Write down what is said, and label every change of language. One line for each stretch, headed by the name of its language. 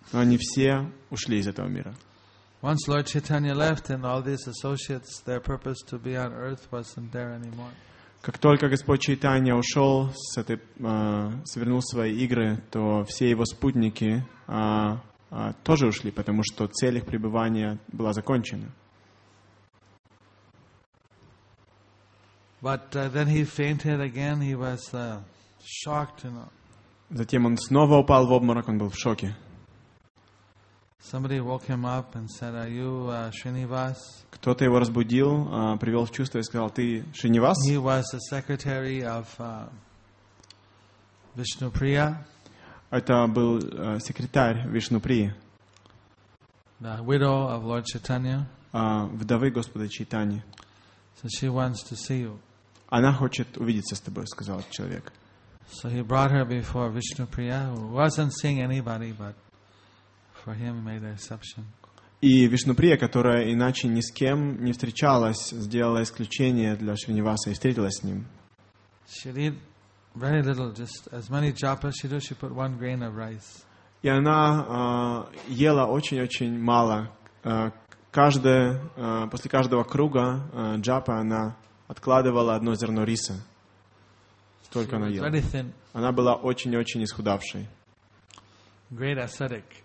Russian: Но они все ушли из этого мира.
English: Once Lord Chaitanya left and all these associates, their purpose to be on earth wasn't there anymore.
Russian: Как только Господь Чайтанья ушел, свернул свои игры, то все его спутники тоже ушли, потому что цель их пребывания была закончена.
English: But then he fainted again. He was shocked, you know.
Russian: Затем он снова упал в обморок. Он был в шоке.
English: Somebody woke him up and said, "Are you Srinivas?"
Russian: Кто-то его разбудил, привел в чувство и сказал: "Ты Шринивас?"
English: He was the secretary of Vishnupriya.
Russian: Это был секретарь Вишнуприи.
English: The widow of Lord Chaitanya.
Russian: Вдовы Господа Чайтаньи.
English: So she wants to see you.
Russian: Она хочет увидеться с тобой, сказал человек.
English: So he brought her before Vishnupriya, who wasn't seeing anybody, but for him made an exception.
Russian: И Вишнуприя, которая иначе ни с кем не встречалась, сделала исключение для Шринивасы и встретилась с ним.
English: She did very little, just as many japas she does, she put one grain of rice.
Russian: И она ела очень-очень мало. После каждого круга джапы она откладывала одно зерно риса. Столько она ела. Она была очень-очень исхудавшей.
English: Great ascetic.